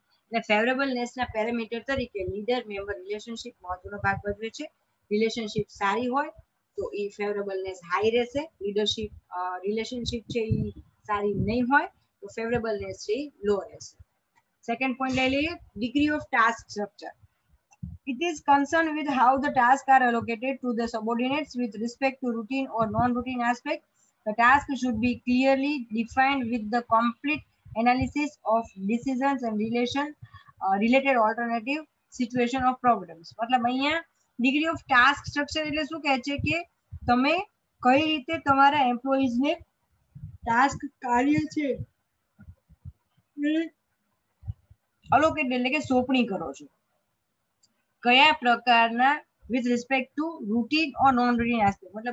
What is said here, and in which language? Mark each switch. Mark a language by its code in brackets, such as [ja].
[gu] એટલે ફેવરેબલનેસના પેરામીટર તરીકે leader member relationship મહત્વનો ભાગ ભજવે છે. રિલેશનશિપ સારી હોય તો એ ફેવરેબલનેસ હાઈ રહેશે. લીડરશિપ રિલેશનશિપ છે એ સારી નહીં હોય તો ફેવરેબલનેસ છે એ લો રહેશે. સેકન્ડ પોઈન્ટ લઈ લઈએ degree of task structure. [en] It is concerned with how the tasks are allocated to the subordinates with respect to routine or non-routine aspects. The task should be clearly defined with the complete analysis of decisions and relation related alternative situation of problems. [hi] मतलब यहाँ [en] degree of task structure [gu] એટલે શું કહે છે કે તમે કઈ રીતે તમારા employees ને task કાર્ય છે allocate એટલે કે સોંપણી કરો છો કયા પ્રકારના [en] with respect to routine or non routine aspect.